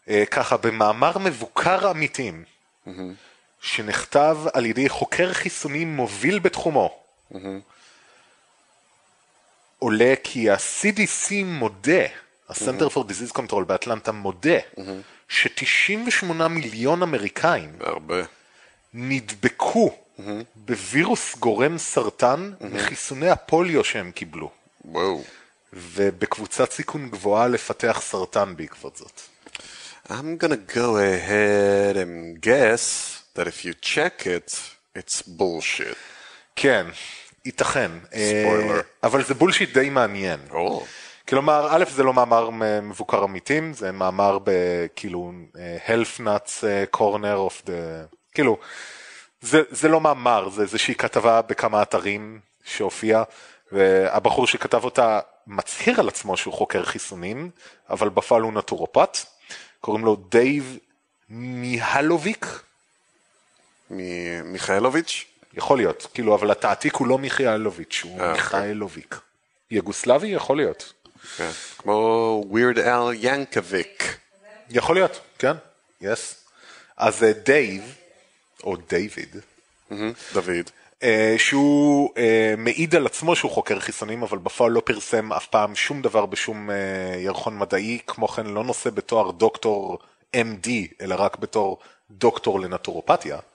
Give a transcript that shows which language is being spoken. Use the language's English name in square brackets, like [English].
[Hebrew] ככה, במאמר מבוקר אמיתים, שנכתב על ידי חוקר חיסונים מוביל בתחומו, עולה כי ה-CDC מודה, ה-Center for Disease Control באטלנטה מודה, ש-98 מיליון אמריקאים, נדבקו, בווירוס גורם סרטן מחיסוני הפוליו שהם קיבלו. וואו. ובקבוצת סיכון גבוהה לפתח סרטן בעקבות זאת. [English] I'm gonna go ahead and guess that if you check it, it's bullshit. [Hebrew] כן, ייתכן. [English] Spoiler. [Hebrew] אבל זה בולשיט די מעניין. כלומר, א', זה לא מאמר מבוקר עמיתים, זה מאמר בכאילו Health Nuts Corner of the... כאילו... זה לא מאמר, זה איזושהי כתבה בכמה אתרים שהופיע, והבחור שכתב אותה מצהיר על עצמו שהוא חוקר חיסונים, אבל בפעל הוא נטורופט, קוראים לו דייב מיהלוביק. מיכאלוביץ'? יכול להיות, כאילו, אבל התעתיק הוא לא מיכאלוביץ', הוא מיכאלוביק. יגוסלבי? יכול להיות. כמו Weird Al Yankovic. יכול להיות, כן, yes. אז דייב, או דיוויד. דיוויד. שהוא מעיד על עצמו שהוא חוקר חיסונים, אבל בפועל לא פרסם אף פעם שום דבר בשום ירחון מדעי, כמו כן לא נושא בתואר דוקטור MD, אלא רק בתואר דוקטור לנטורופתיה.